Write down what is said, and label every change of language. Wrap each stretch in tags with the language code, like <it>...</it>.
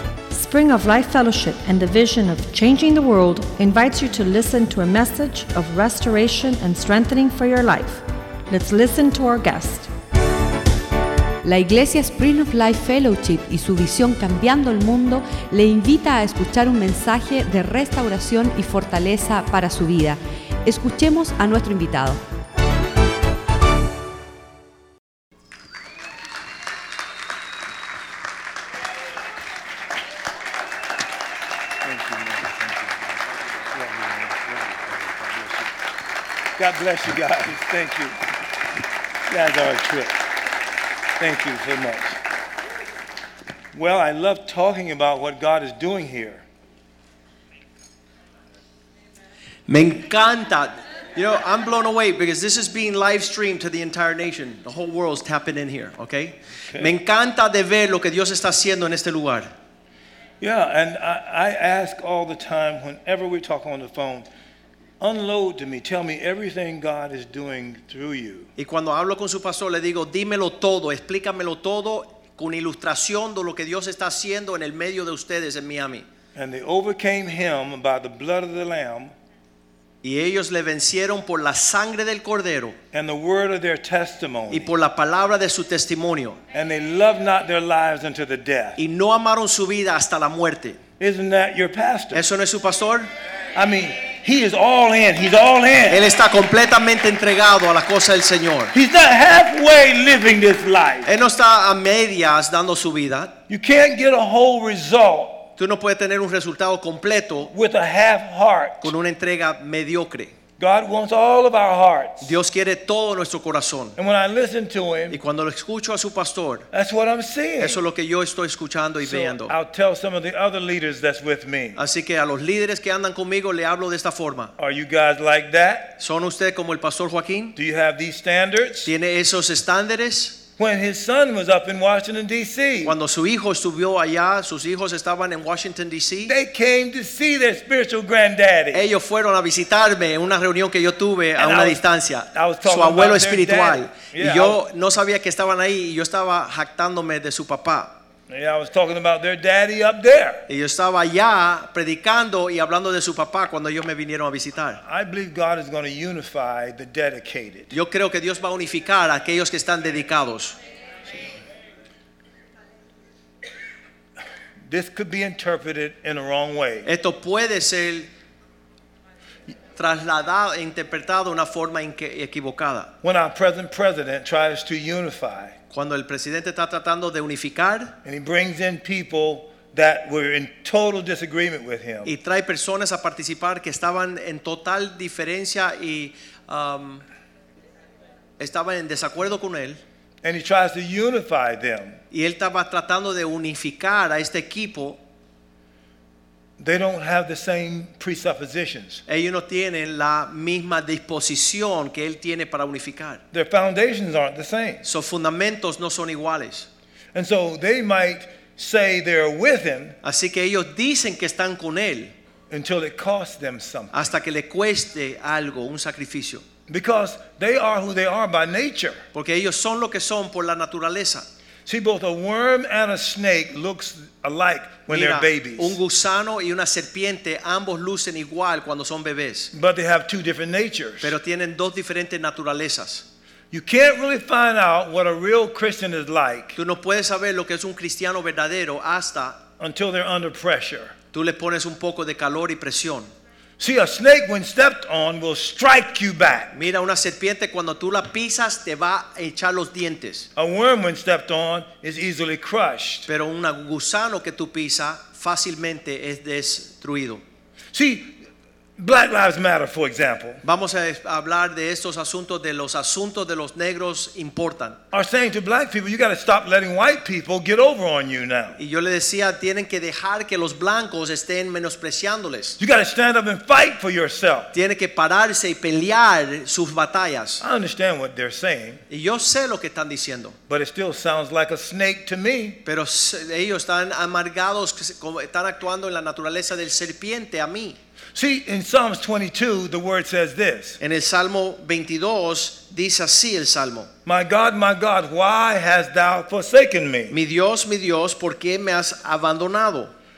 <en>Spring of Life Fellowship and the vision of changing the world invites you to listen to a message of restoration and strengthening for your life. Let's listen to our guest.</en> <es>La Iglesia Spring of Life Fellowship y su visión cambiando el mundo le invita a escuchar un mensaje de restauración y fortaleza para su vida. Escuchemos a nuestro invitado.</es> <en>God bless you guys. Thank you. You guys are a trip. Thank you so much. Well, I love talking about what God is doing here.</en> <es>Me encanta.</es> <en>You know, I'm blown away because this is being live streamed to the entire nation. The whole world is tapping in here, okay?</en> <es>Me encanta de ver lo que Dios está haciendo en este lugar.</es> <en>Yeah, and I ask all the time, whenever we talk on the phone, unload to me. Tell me everything God is doing through you.</en> <es>Y cuando hablo con su pastor, le digo, dímelo todo, explícamelo todo con ilustración de lo que Dios está haciendo en el medio de ustedes en Miami.</es> <en>And they overcame him by the blood of the Lamb.</en> <es>Y ellos le vencieron por la sangre del cordero.</es> <en>And the word of their testimony.</en> <es>Y por la palabra de su testimonio.</es> <en>And they loved not their lives unto the death.</en> <es>Y no amaron su vida hasta la muerte.</es> <en>Isn't that your pastor?</en> <es>¿Eso no es su pastor?</es> <en>I mean, he is all in. He's all in.</en> <es>Él está completamente entregado a la cosa del Señor.</es> <en>He's not halfway living this life.</en> <es>Él no está a medias dando su vida.</es> <en>You can't get a whole result.</en> <es>Tú no puedes tener un resultado completo</es> <en>with a half heart.</en> <es>Con una entrega mediocre.</es> <en>God wants all of our hearts.</en> <es>Dios quiere todo nuestro corazón.</es> <en>And when I listen to him,</en> <es>y cuando lo escucho a su pastor,</es> <en>that's what I'm seeing.</en> <es>Eso es lo que yo estoy escuchando y viendo.</es> <en>So I'll tell some of the other leaders that's with me.</en> <es>Así que a los líderes que andan conmigo le hablo de esta forma.</es> <en>Are you guys like that?</en> <es>¿Son ustedes como el pastor Joaquín?</es> <en>Do you have these standards?</en> <es>¿Tiene esos estándares?</es> <en>When his son was up in Washington D.C.</en> <es>Cuando su hijo estuvo allá, sus hijos estaban en Washington D.C.</es> <en>They came to see their spiritual granddaddy.</en> <es>Ellos fueron a visitarme en una reunión que yo tuve a una distancia.</es> <en>I was talking</en> <es>su abuelo</es> <en>about</en> <es>espiritual. Yeah, y yo no sabía que estaban ahí y yo estaba jactándome de su papá.</es> <en>Yeah, I was talking about their daddy up there.</en> <es>Y yo estaba allá predicando y hablando de su papá cuando ellos me vinieron a visitar.</es> <en>I believe God is going to unify the dedicated.</en> <es>Yo creo que Dios va a unificar a aquellos que están dedicados.</es> <en>This could be interpreted in a wrong way.</en> <es>Esto puede ser trasladado, interpretado de una forma equivocada.</es> <en>When our present president tries to unify.</en> <es>Cuando el presidente está tratando de unificar,</es> <en>and he brings in people that were in total disagreement with him.</en> <es>Y trae personas a participar que estaban en total diferencia y estaban en desacuerdo con él.</es> <en>And he tries to unify them.</en> <es>Y él estaba tratando de unificar a este equipo.</es> <en>They don't have the same presuppositions.</en> <es>Ellos no tienen la misma disposición que él tiene para unificar.</es> <en>Their foundations aren't the same.</en> <es>Sus fundamentos no son iguales.</es> <en>And so they might say they're with him.</en> <es>Así que ellos dicen que están con él.</es> <en>Until it costs them something.</en> <es>Hasta que le cueste algo, un sacrificio.</es> <en>Because they are who they are by nature.</en> <es>Porque ellos son lo que son por la naturaleza.</es> <en>See, both a worm and a snake looks alike when</en> <es>Mira,</es> <en>they're babies.</en> <es>Un gusano y una serpiente, ambos lucen igual cuando son bebés.</es> <en>But they have two different natures.</en> <es>Pero tienen dos diferentes naturalezas.</es> <en>You can't really find out what a real Christian is like.</en> <es>Tú no puedes saber lo que es un cristiano verdadero hasta</es> <en>until they're under pressure.</en> <es>Tú le pones un poco de calor y presión.</es> <en>See, a snake when stepped on will strike you back.</en> <es>Mira, una serpiente cuando tú la pisas te va a echar los dientes.</es> <en>A worm when stepped on is easily crushed.</en> <es>Pero un gusano que tú pisas fácilmente es destruido.</es> <en>See, Black Lives Matter, for example.</en> <es>Vamos a hablar de estos asuntos, de los asuntos de los negros importan.</es> <en>Are saying to black people, you got to stop letting white people get over on you now.</en> <es>Y yo le decía, tienen que dejar que los blancos estén menospreciándoles.</es> <en>You got to stand up and fight for yourself.</en> <es>Tiene que pararse y pelear sus batallas.</es> <en>I understand what they're saying.</en> <es>Y yo sé lo que están diciendo.</es> <en>But it still sounds like a snake to me.</en> <es>Pero ellos están amargados, están actuando en la naturaleza del serpiente a mí.</es> <en>See, in Psalms 22, the word says this.</en> <es>En el Salmo 22, dice así el Salmo.</es> <en>My God, why hast thou forsaken me?</en> <es>Mi Dios, ¿por qué me has abandonado?</es>